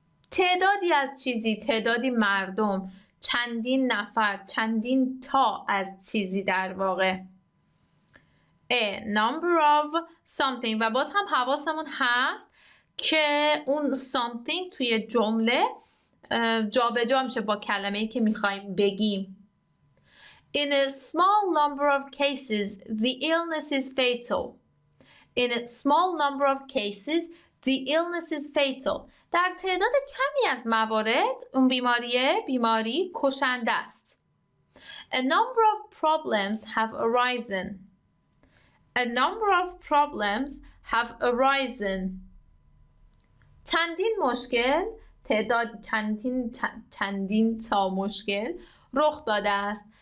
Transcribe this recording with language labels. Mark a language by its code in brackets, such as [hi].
[fa] تعدادی از چیزی، تعدادی مردم، چندین نفر، چندین تا از چیزی در واقع. [en] A number of something. [fa] و باز هم حواسمون هست که اون something توی جمله جا به جا میشه با کلمه‌ای که میخوایم بگیم. [en] In a small number of cases, the illness is fatal. In a small number of cases, the illness is fatal. [fa] در تعداد کمی از موارد اون بیماری کشنده است. [en] A number of problems have arisen. A number of problems have arisen. [fa] چندین مشکل، تعداد چندین تا مشکل رخ داده است.